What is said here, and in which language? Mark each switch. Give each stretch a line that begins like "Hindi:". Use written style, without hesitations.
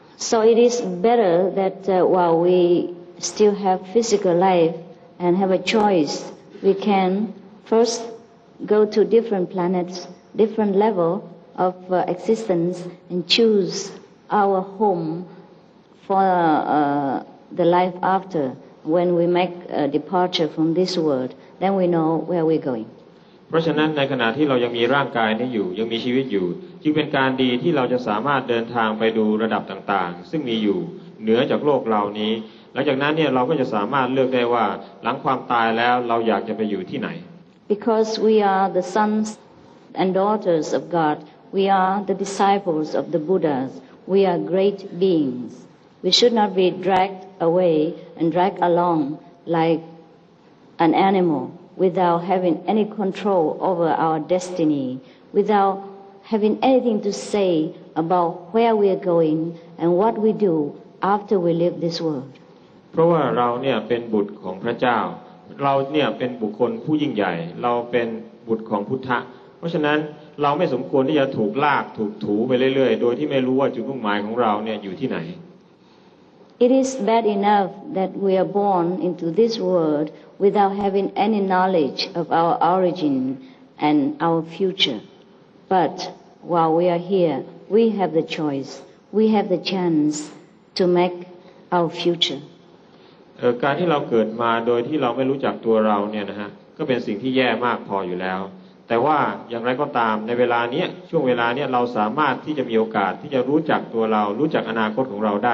English: So it is better that while we still have physical life and have a choice we can firstgo to different planets different level of existence and choose our home for the life after when we make a departure from this world then we know where we're going
Thai: เพราะฉะนั้นในขณะที่เรายังมีร่างกายนี้อยู่ยังมีชีวิตอยู่จึงเป็นการดีที่เราจะสามารถเดินทางไปดูระดับต่างๆซึ่งมีอยู่เหนือจากโลกเรานี้หลังจากนั้นเนี่ยเราก็จะสามารถเลือกได้ว่าหลังความตายแล้วเราอยากจะไปอยู่ที่ไหน
English: Because we are the sons and daughters of God, we are the disciples of the Buddhas, we are great beings. We should not be dragged away and dragged along like an animal without having any control over our destiny, without having anything to say about where we are going and what we do after we leave this world.
Thai: เพราะว่าเราเนี่ยเป็นบุตรของพระเจ้าเราเนี่ยเป็นบุคคลผู้ยิ่งใหญ่เราเป็นบุตรของพุทธะเพราะฉะนั้นเราไม่สมควรที่จะถูกลากถูกถูไปเรื่อยๆโดยที่ไม่รู้ว่าจุดมุ่งหมายของเราเนี่ยอยู่ที่ไหน
English: It is bad enough that we are born into this world without having any knowledge of our origin and our future but while we are here we have the choice we have the chance to make our future
Thai: การที่เราเกิดมาโดยที่เราไม่รู้จักตัวเราเนี่ยนะฮะก็เป็นสิ่งที่แย่มากพออยู่แล้วแต่ว่าอย่างไรก็ตามในเวลานี้ช่วงเวลานี้เราสามารถที่จะมีโอกาสที่จะรู้จักตัวเรารู้จักอนาคตของเราได